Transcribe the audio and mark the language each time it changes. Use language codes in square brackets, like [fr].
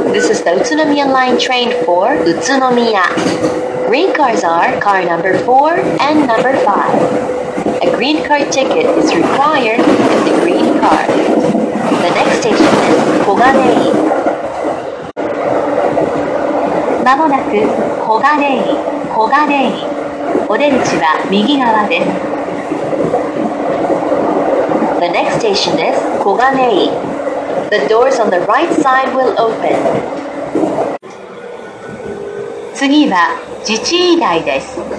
[en] This is the 宇都宮 line train for 宇都宮。 Green cars are car number 4 and number 5. A green car ticket is required with the green car. The next station is 小金井。 [ja] まもなく小金井、小金井。お出口は右側です。 [en] The next station is 小金井。 The doors on the right side will open. [ja] 次は自治医大です。